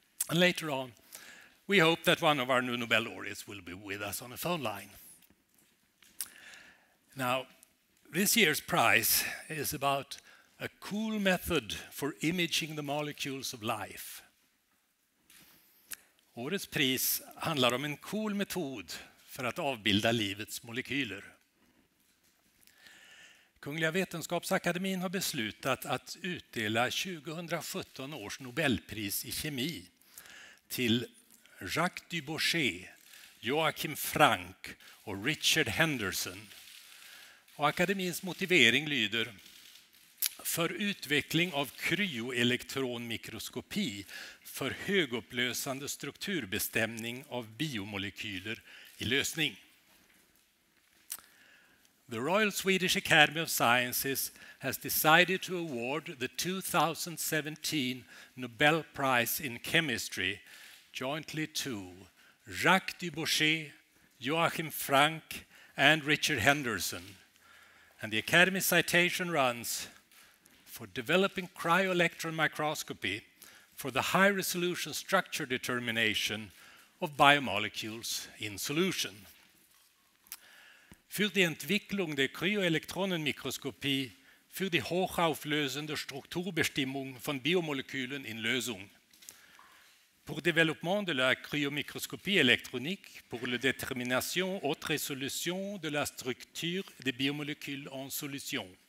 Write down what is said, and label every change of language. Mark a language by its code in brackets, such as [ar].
[en] And later on, we hope that one of our new Nobel laureates will be with us on a phone line. Now, this year's prize is about a cool method for imaging the molecules of life. [sv] Årets pris handlar om en cool metod för att avbilda livets molekyler. Kungliga Vetenskapsakademin har beslutat att utdela 2017 års Nobelpris i kemi till Jacques Dubochet, Joachim Frank och Richard Henderson. Och akademins motivering lyder: för utveckling av kryoelektronmikroskopi för högupplösande strukturbestämning av biomolekyler i lösning. [en] The Royal Swedish Academy of Sciences has decided to award the 2017 Nobel Prize in Chemistry jointly to Jacques Dubochet, Joachim Frank, and Richard Henderson. And the Academy citation runs: for developing cryo-electron microscopy for the high-resolution structure determination of biomolecules in solution. [de] Für die Entwicklung der Kryoelektronenmikroskopie für die hochauflösende Strukturbestimmung von Biomolekülen in Lösung. [fr] Pour développement de la cryomicroscopie électronique pour la détermination haute résolution de la structure des biomolécules en solution.